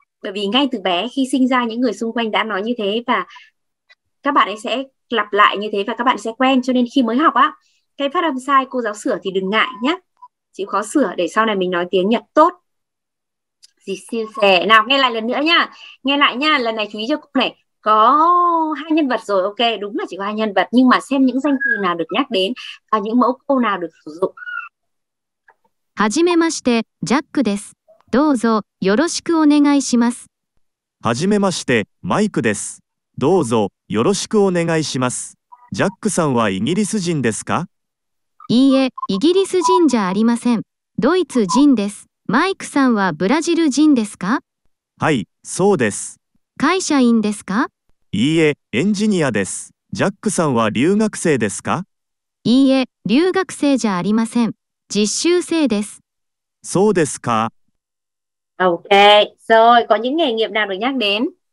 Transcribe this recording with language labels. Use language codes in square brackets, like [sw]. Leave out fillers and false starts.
[vi] Bởi vì ngay từ bé khi sinh ra những người xung quanh đã nói như thế và các bạn ấy sẽ lặp lại như thế và các bạn sẽ quen, cho nên khi mới học á, cái phát âm sai cô giáo sửa thì đừng ngại nhé. Chịu khó sửa để sau này mình nói tiếng Nhật tốt. Dì siêu xe. Nào nghe lại lần nữa nhá. Nghe lại nhá, lần này chú ý cho cô này. Có hai nhân vật rồi, ok, đúng là chỉ có hai nhân vật. Nhưng mà xem những danh từ nào được nhắc đến và những mẫu câu nào được sử dụng. [ja] はじめまして、ジャックです。どうぞよろしくお願いします。はじめまして、マイクです。どうぞよろしくお願いします。ジャックさんはイギリス人ですか? いいえ、イギリス人じゃありません。ドイツ人です。マイクさんはブラジル人ですか? はい、そうです。会社員ですか? いいえ、エンジニアです。ジャックさんは留学生ですか? いいえ、留学生じゃありません。実習生です。そうですか。 [vi] Ok, rồi, có những nghề nghiệp nào được nhắc đến?